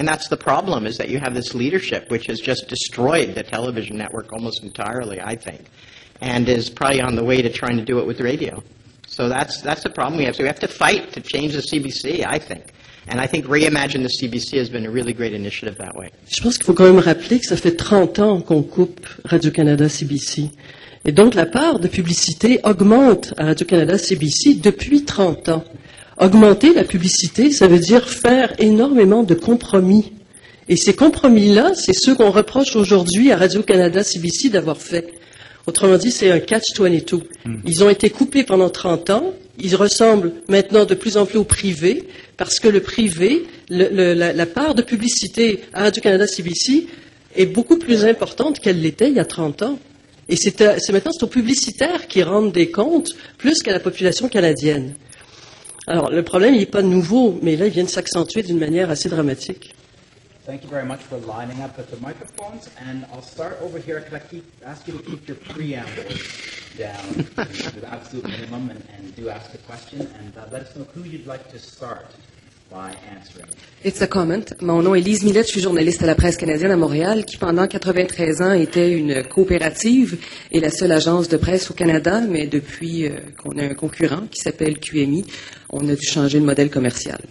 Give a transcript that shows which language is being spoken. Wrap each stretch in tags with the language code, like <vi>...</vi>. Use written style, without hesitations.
<en>And that's the problem, is that you have this leadership which has just destroyed the television network almost entirely, I think, and is probably on the way to trying to do it with radio. So that's the problem we have. So we have to fight to change the CBC, I think. And I think Reimagine the CBC has been a really great initiative that way.</en> <fr>Je pense qu'il faut quand même rappeler que ça fait 30 ans qu'on coupe Radio-Canada CBC. Et donc la part de publicité augmente à Radio-Canada CBC depuis 30 ans. Augmenter la publicité, ça veut dire faire énormément de compromis. Et ces compromis-là, c'est ceux qu'on reproche aujourd'hui à Radio-Canada CBC d'avoir fait. Autrement dit, c'est un catch-22. Ils ont été coupés pendant 30 ans, ils ressemblent maintenant de plus en plus au privé, parce que le privé, la part de publicité à Radio-Canada CBC est beaucoup plus importante qu'elle l'était il y a 30 ans. Et c'est maintenant aux publicitaires qui rendent des comptes plus qu'à la population canadienne. Alors, le problème, il n'est pas nouveau, mais là, il vient de s'accentuer d'une manière assez dramatique.</fr> <en>Thank you very much for lining up at the microphones, and I'll start over here. Can I ask you to keep your preamble down to the absolute minimum and do ask a question, and let us know who you'd like to start by answering. It's a comment.</en> <fr>Mon nom est Lise Millette, je suis journaliste à la presse canadienne à Montréal, qui pendant 93 ans était une coopérative et la seule agence de presse au Canada, mais depuis qu'on a un concurrent qui s'appelle QMI, on a dû changer le modèle commercial.</fr>